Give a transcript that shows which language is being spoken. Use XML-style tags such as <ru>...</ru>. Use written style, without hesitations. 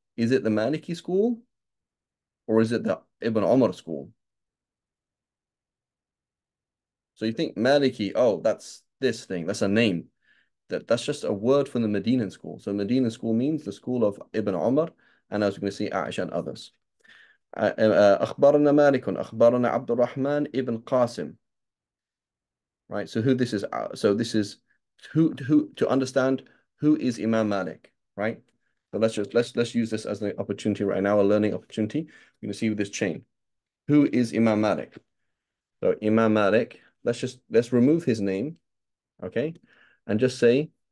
<en>Is it the Maliki school or is it the Ibn Umar school? So you think Maliki, oh, that's this thing, that's a name. That's just a word from the Medinan school. So Medinan school means the school of Ibn Umar. And as we're going to see, Aisha and others.</en> <ar>أخبرنا مالك أخبرنا عبد الرحمن ابن قاسم.</ar> <en>Right, so who this is? So this is who to understand who is Imam Malik, right? So let's use this as an opportunity right now, a learning opportunity. We're gonna see with this chain. Who is Imam Malik? So Imam Malik, let's remove his name, okay, and just say.</en>